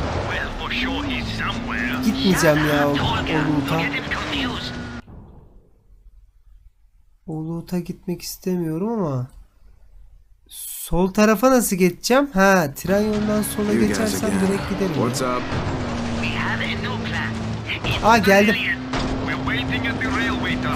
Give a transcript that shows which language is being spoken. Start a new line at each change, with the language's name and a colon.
English: Well, for sure he's somewhere.
Turkish: Gitmeyeceğim ya Oluta. Oluta gitmek istemiyorum ama sol tarafa nasıl geçeceğim? Ha, tren yolundan sola geçersem direkt giderim.
English: What's up? We have a new plan.
Turkish: Aa, geldim.
English: We're waiting at the railway tunnel.